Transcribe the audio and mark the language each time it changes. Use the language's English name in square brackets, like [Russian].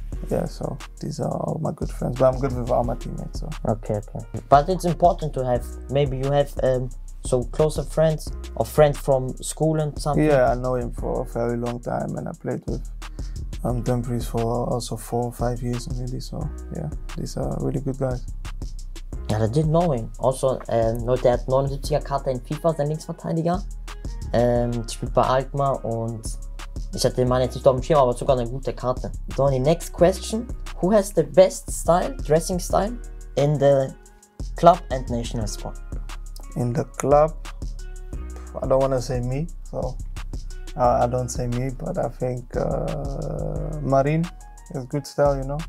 [English] Yeah, so these are all my good friends, but I'm good with all my teammates. So. Okay. But it's important to have, maybe you have so closer friends or friends from school and something? Yeah, I know him for a very long time and I played with Dumfries for also 4 or 5 years, really. So yeah, these are really good guys. Yeah, I didn't know him. [German] Also, Leute, er hat 79er Karte in FIFA, sein Linksverteidiger. Spielt bei Alkmaar und ich hatte meine jetzt nicht auf dem Schirm, aber sogar eine gute Karte. [English] Donny, next question. Who has the best style, dressing style, in the club and national squad? In the club? I don't want to say me, so I don't say me, but I think Marin is good style, you know?